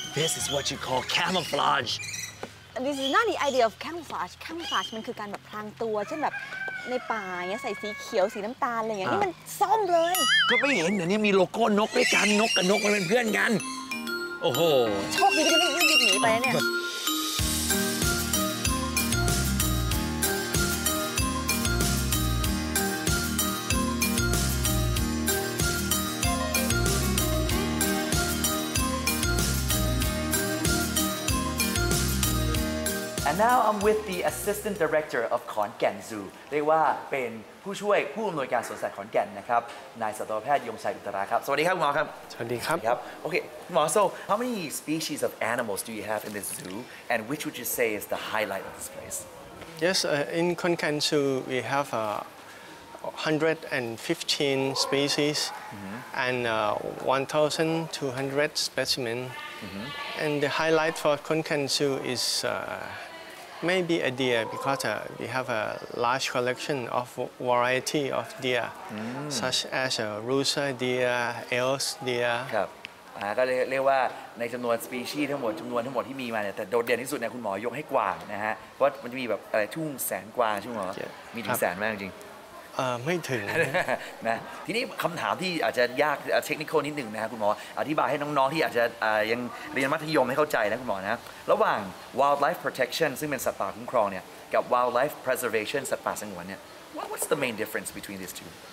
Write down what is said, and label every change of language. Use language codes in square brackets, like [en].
[en] This is what you call camouflage. This is not the idea of camouflage. [th] Camouflage มันคือการแบบพรางตัวเช่นแบบในป่าเงี้ยใส่สีเขียวสีน้ำตาลอะไรอย่างเงี้ยนี่มันซ่อมเลย ก็ไม่เห็นเนี่ยมีโลโก้นกด้วยกันนกกับนกมันเป็นเพื่อนกันโอ้โห โชคดีที่ไม่ยืดหนีไปเนี่ย [en] And now I'm with the assistant director of Khon Kaen Zoo. [th] เรียกว่าเป็นผู้ช่วยผู้อำนวยการสวนสัตว์ขอนแก่นนะครับนายสัตวแพทย์ยงชัยอุตราครับสวัสดีครับคุณหมอครับ สวัสดีครับครับ [en] โอเคหมอ so how many species of animals do you have in this zoo and which would you say is the highlight of this place? Yes, in Khon Kaen Zoo we have 115 species mm-hmm. and 1,200 specimen. Mm-hmm. And the highlight for Khon Kaen Zoo is maybe a deer because we have a large collection of variety of deer mm. such as a rusa deer, elk deer [th] ครับก็เรียกว่าในจำนวน species ทั้งหมดที่มีมาเนี่ยแต่โดดเด่นที่สุดเนี่ยคุณหมอยกให้กวางนะฮะเพราะมันจะมีแบบอะไรทุ่งแสนกวางใช่ไหมหมอมีถึงแสนมากจริง ไม่ถึง นะทีนี้คำถามที่อาจจะยากเทคนิคนิดหนึ่งนะครับคุณหมออธิบายให้น้องๆที่อาจจะยังเรียนมัธยมให้เข้าใจนะคุณหมอนะระหว่าง wildlife protection ซึ่งเป็นสัตว์ป่าคุ้มครองเนี่ยกับ wildlife preservation สัตว์ป่าสงวนเนี่ย what's the main difference between these two